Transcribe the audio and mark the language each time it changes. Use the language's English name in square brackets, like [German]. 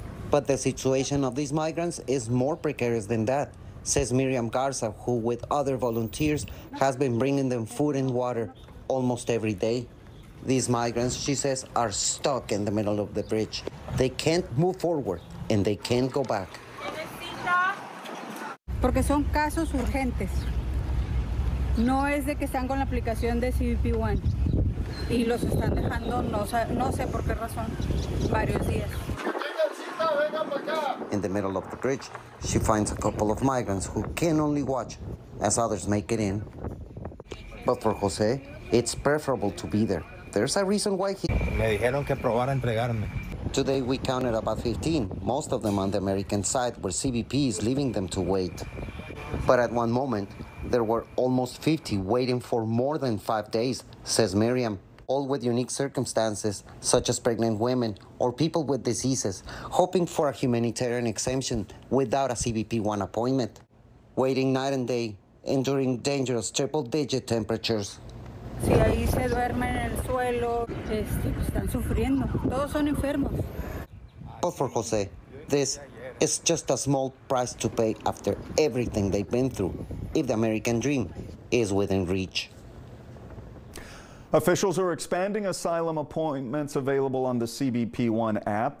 [English] But the situation of these migrants is more precarious than that, says Miriam Garza, who with other volunteers has been bringing them food and water almost every day. These migrants, she says, are stuck in the middle of the bridge. They can't move forward and they can't go back. [Spanish] Porque son casos urgentes. No es de que están con la aplicación de CBP-1 y los están dejando, no sé por qué razón, varios días. [English] In the middle of the bridge, she finds a couple of migrants who can only watch as others make it in. But for Jose, it's preferable to be there. There's a reason why he... [Spanish] Me dijeron que probara entregarme. [English] Today we counted about 15, most of them on the American side where CBP is leaving them to wait. But at one moment, there were almost 50 waiting for more than 5 days, says Miriam. All with unique circumstances, such as pregnant women or people with diseases, hoping for a humanitarian exemption without a CBP-1 appointment. Waiting night and day, enduring dangerous triple-digit temperatures. [Spanish] Si ahí se duermen en el suelo, están sufriendo. Todos son enfermos. [English] But for Jose, this is just a small price to pay after everything they've been through, if the American dream is within reach. Officials are expanding asylum appointments available on the CBP-1 app.